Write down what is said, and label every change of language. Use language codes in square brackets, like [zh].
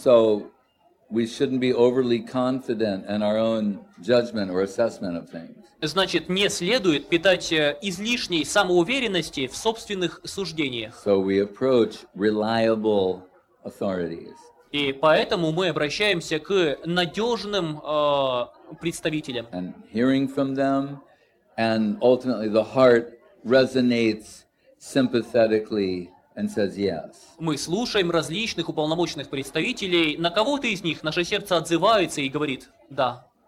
[en] So we shouldn't be overly confident in our own judgment or assessment of things. [ru] Значит, не следует питать излишней самоуверенности в собственных суждениях. [en] So we approach reliable authorities. [ru] И поэтому мы обращаемся к надежным представителям. [en] And hearing from them, and ultimately the heart resonates sympathetically and says yes. [ru] Мы слушаем различных уполномоченных представителей, на кого-то из них наше сердце отзывается и говорит: да.